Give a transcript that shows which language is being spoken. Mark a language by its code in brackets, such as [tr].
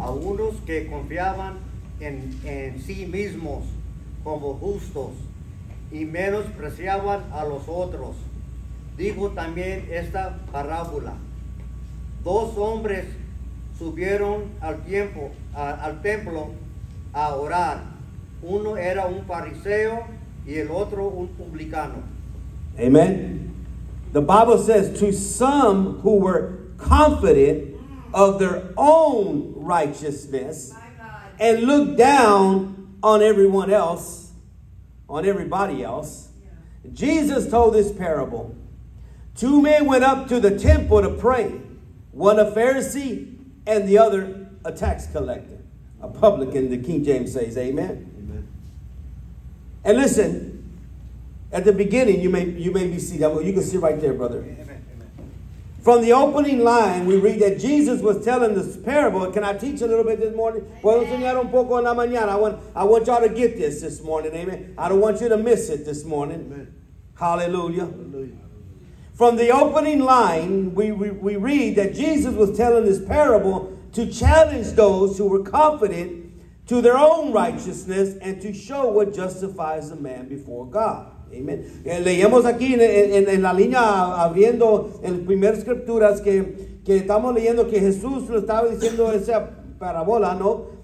[es] A unos que confiaban en sí mismos como justos y menospreciaban a los otros. Dijo también esta parábola. Dos hombres subieron al templo a orar. Uno era un fariseo y el otro un publicano. [en] Amen. The Bible says to some who were confident of their own righteousness and looked down on everyone else, on everybody else, Jesus told this parable. Two men went up to the temple to pray. One a Pharisee and the other, a tax collector, a publican, the King James says, amen. Amen. And listen, at the beginning, you may be seated. You can sit right there, brother. Amen. Amen. From the opening line, we read that Jesus was telling this parable. Can I teach a little bit this morning? [es] Puedo enseñar un poco en la mañana. [en] I want y'all to get this morning, amen. I don't want you to miss it this morning. Amen. Hallelujah. Hallelujah. From the opening line, we read that Jesus was telling this parable to challenge those who were confident to their own righteousness and to show what justifies a man before God. Amen. [es] Leemos aquí en la línea abriendo el primer escrituras que estamos leyendo que Jesús lo estaba diciendo esa parábola, ¿no?